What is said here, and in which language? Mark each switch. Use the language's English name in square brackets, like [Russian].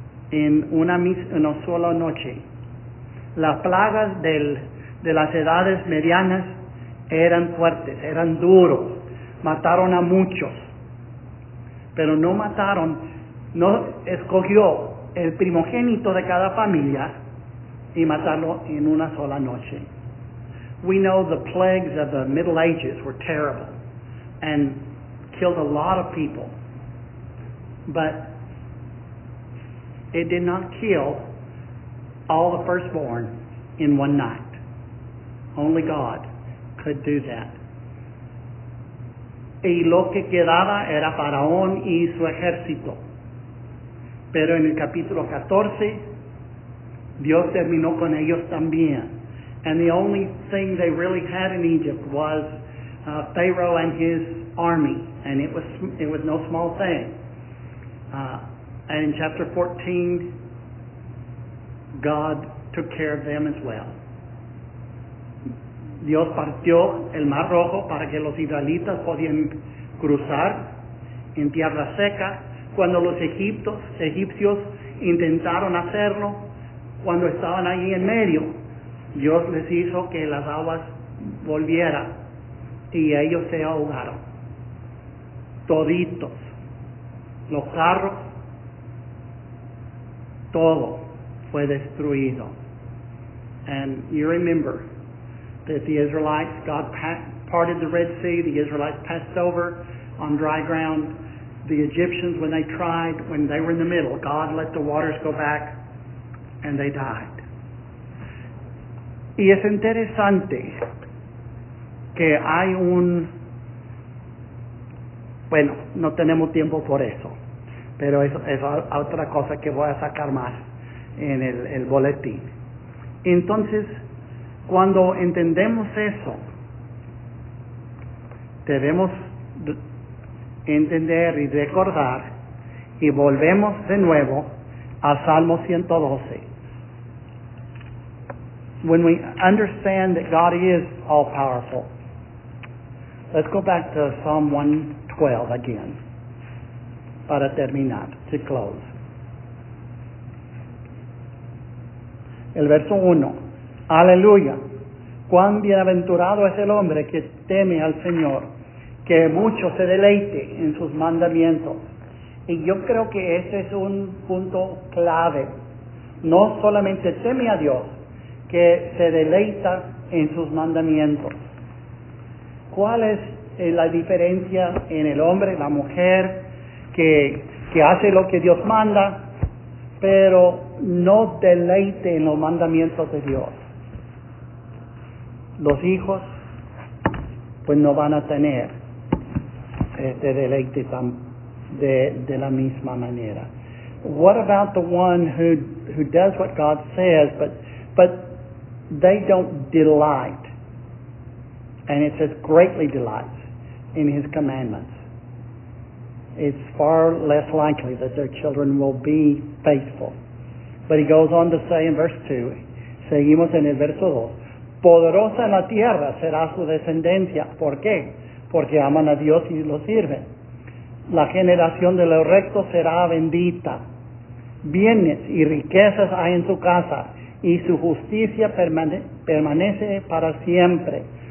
[Spanish] En una sola noche, las plagas de las edades medianas eran fuertes, eran duros, mataron a muchos, pero no escogió el primogénito de cada familia y matarlo en una sola noche. [English] We know the plagues of the Middle Ages were terrible and killed a lot of people, but it did not kill all the firstborn in one night. Only God could do that. [Spanish] Y lo que quedaba era Faraón y su ejército. Pero en el capítulo 14, Dios terminó con ellos también. [English] And the only thing they really had in Egypt was Pharaoh and his army. And it was no small thing. And in chapter 14, God took care of them as well. [Spanish] Dios partió el Mar Rojo para que los israelitas podían cruzar en tierra seca. Cuando los egipcios intentaron hacerlo, cuando estaban allí en medio, Dios les hizo que las aguas volvieran y ellos se ahogaron. Toditos, los carros, todo fue destruido. [English] And you remember that the Israelites, God parted the Red Sea, the Israelites passed over on dry ground. The Egyptians, when they tried, when they were in the middle, God let the waters go back and they died. [Spanish] Y es interesante que hay un... Bueno, no tenemos tiempo por eso, pero es otra cosa que voy a sacar más en el boletín. Entonces, cuando entendemos eso, debemos entender y recordar, y volvemos de nuevo a Salmo 112. [English] When we understand that God is all-powerful, let's go back to Psalm 112 again, [Spanish] para terminar, [English] to close. [Spanish] El verso 1, aleluya, cuán bienaventurado es el hombre que teme al Señor, que mucho se deleite en sus mandamientos. Y yo creo que ese es un punto clave, no solamente teme a Dios, que se deleita en sus mandamientos. ¿Cuál es la diferencia en el hombre, la mujer, que hace lo que Dios manda, pero no deleite en los mandamientos de Dios? Los hijos, pues no van a tener este deleite de la misma manera. [English] What about the one who does what God says, but they don't delight, and it says greatly delights in his commandments? It's far less likely that their children will be faithful. But he goes on to say in verse 2, [Spanish] seguimos en el verso 2, poderosa en la tierra será su descendencia. ¿Por qué? Porque aman a Dios y lo sirven. La generación de los rectos será bendita. Bienes y riquezas hay en su casa, y su justicia permanece para siempre.